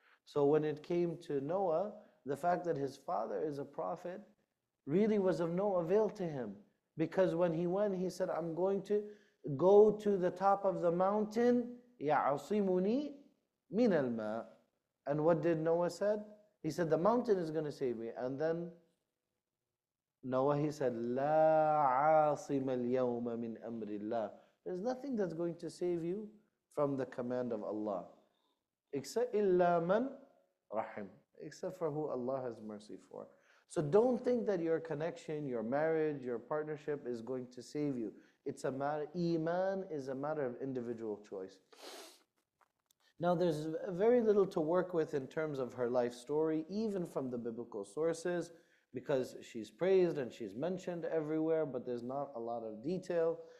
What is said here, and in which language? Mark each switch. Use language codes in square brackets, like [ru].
[en] So when it came to Noah, the fact that his father is a prophet really was of no avail to him. Because when he went, he said, I'm going to go to the top of the mountain, [ar] يَعْصِمُنِي مِنَ الْمَاءِ. [en] And what did Noah said? He said, the mountain is going to save me. And then Noah, he said, [ar] لَا عَاصِمَ الْيَوْمَ مِنْ أَمْرِ اللَّهِ. [en] There's nothing that's going to save you from the command of Allah. Except [ar] إِلَّا مَنْ رَحِمْ. [en] Except for who Allah has mercy for. So don't think that your connection, your marriage, your partnership is going to save you. It's a matter, iman is a matter of individual choice. Now there's very little to work with in terms of her life story, even from the biblical sources, because she's praised and she's mentioned everywhere, but there's not a lot of detail.